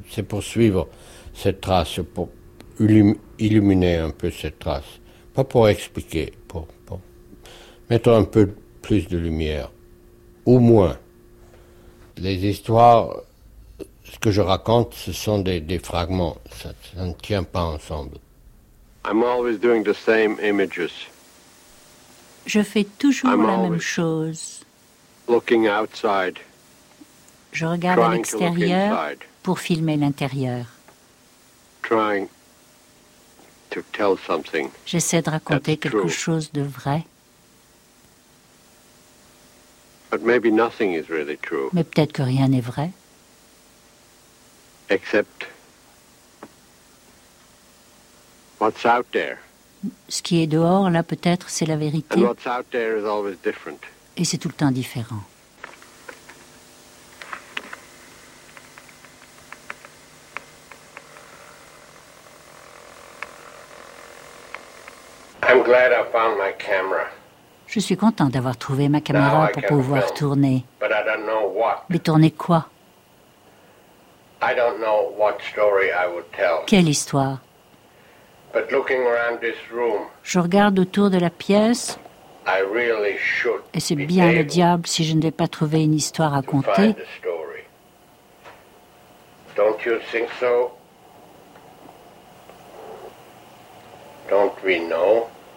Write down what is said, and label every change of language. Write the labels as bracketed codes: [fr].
[fr] C'est pour suivre cette trace, pour illuminer un peu cette trace. Pas pour expliquer, pour mettre un peu plus de lumière. Au moins. Les histoires, ce que je raconte, ce sont des fragments. Ça ne tient pas ensemble. [en] I'm always doing the same images. [fr] Je fais toujours la même chose. [en] Looking outside, [fr] je regarde à l'extérieur pour filmer l'intérieur. [en] Trying to tell something. [fr] J'essaie de raconter quelque chose de vrai. [en] But maybe nothing is really true. [fr] Mais peut-être que rien n'est vrai. [en] Except what's out there. [fr] Ce qui est dehors, là, peut-être, c'est la vérité. [en] And what's out there is always different. [fr] Et c'est tout le temps différent. [en] I'm glad I found my camera. [fr] Je suis content d'avoir trouvé ma caméra [en] now [fr] pour pouvoir [en] film, [fr] tourner. [en] But I don't know what. [fr] Mais tourner quoi? [en] I don't know what story I would tell. [fr] Quelle histoire? [en] But looking around this room, [fr] je regarde autour de la pièce. [en] I really should [fr] et c'est bien le diable si je ne vais pas trouver une histoire à conter. [en] Don't you think so? don't we know?